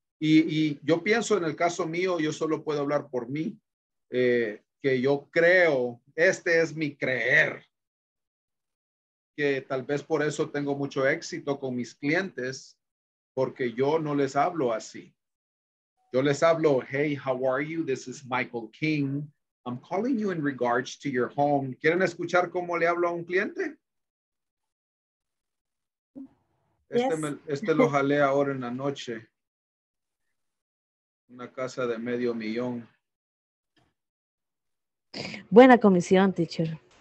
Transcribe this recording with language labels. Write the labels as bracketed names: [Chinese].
[Spanish] Y yo pienso en el caso mío, yo solo puedo hablar por mí, que yo creo, este es mi creer, que tal vez por eso tengo mucho éxito con mis clientes, porque yo no les hablo así. Yo les hablo, [English] hey, how are you? This is Michael King. I'm calling you in regards to your home. [Spanish] ¿Quieren escuchar cómo le hablo a un cliente? [English] Yes. [Spanish] Lo jalé ahora en la noche. Una casa de medio millón. Buena comisión, teacher.